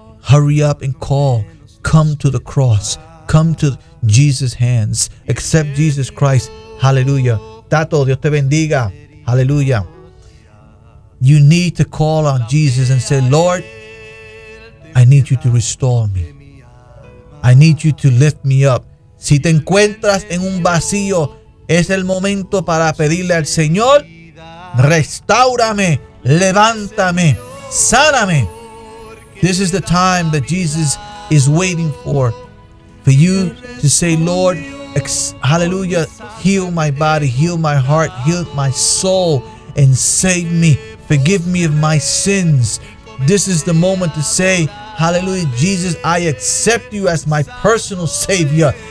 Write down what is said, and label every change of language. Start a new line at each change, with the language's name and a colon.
English: Hurry up and call. Come to the cross. Come to Jesus' hands. Accept Jesus Christ. Hallelujah. Tato,
Spanish: Dios te bendiga.
English: Hallelujah. You need to call on Jesus and say, Lord, I need you to restore me. I need you to lift me up.
Spanish: Si te encuentras en un vacío, es el momento para pedirle al Señor, restáurame, levántame, sáname.
English: This is the time that Jesus is waiting for you to say, Lord, hallelujah, heal my body, heal my heart, heal my soul, and save me. Forgive me of my sins. This is the moment to say, hallelujah, Jesus, I accept you as my personal Savior.